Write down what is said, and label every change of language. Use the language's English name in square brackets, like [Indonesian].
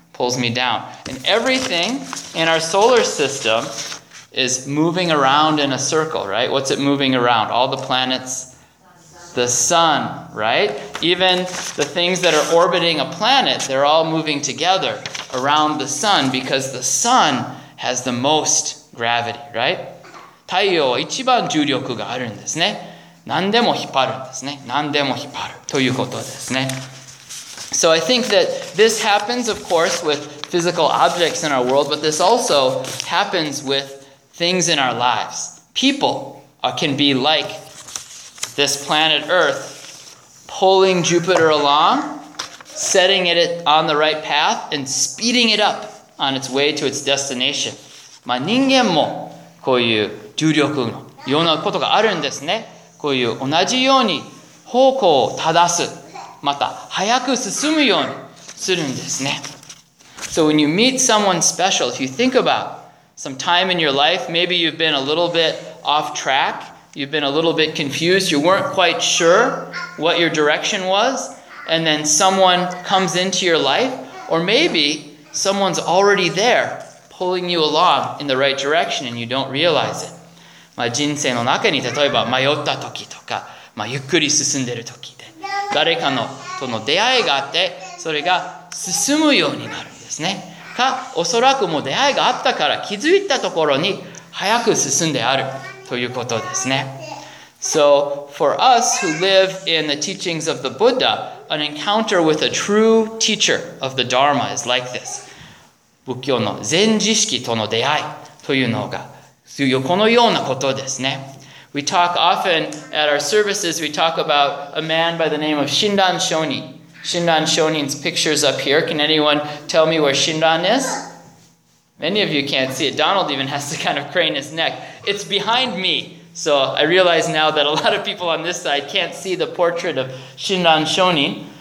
[English] And everything in our solar system is moving around in a circle, right? What's it moving around? All the planets? The sun, right? Even the things that are orbiting a planet, they're all moving together around the sun because the sun has the most gravity, right? [Japanese] 太陽は一番重力があるんですね。何でも引っ張るんですね。何でも引っ張るということですね。 [English] So I think that this happens, of course, with physical objects in our world, but this also happens with things in our lives. People can be like this planet Earth, pulling Jupiter along, setting it on the right path, and speeding it up on its way to its destination. [Japanese] まあ人間もこういう重力のようなことがあるんですね。こういう同じように方向を正す。また早く進むようにするんですね。 [English] So when you meet someone special, if you think about some time in your life, maybe you've been a little bit off track, you've been a little bit confused, you weren't quite sure what your direction was, and then someone comes into your life, or maybe someone's already there pulling you along in the right direction and you don't realize it. [Japanese] まあ人生の中に例えば迷った時とか、まあゆっくり進んでる時で、誰かのとの出会いがあって、それが進むようになるんですね。か、おそらくもう出会いがあったから気づいたところに早く進んであるということですね。 [English] So, for us who live in the teachings of the Buddha, an encounter with a true teacher of the Dharma is like this. [Japanese] 仏教の全知識との出会いというのが、このようなことですね。 [English] We talk often at our services, we talk about a man by the name of Shindan Shonin. Shindan Shonin's picture's up here. Can anyone tell me where Shindan is? Many of you can't see it. Donald even has to kind of crane his neck. It's behind me. So I realize now that a lot of people on this side can't see the portrait of Shindan Shonin.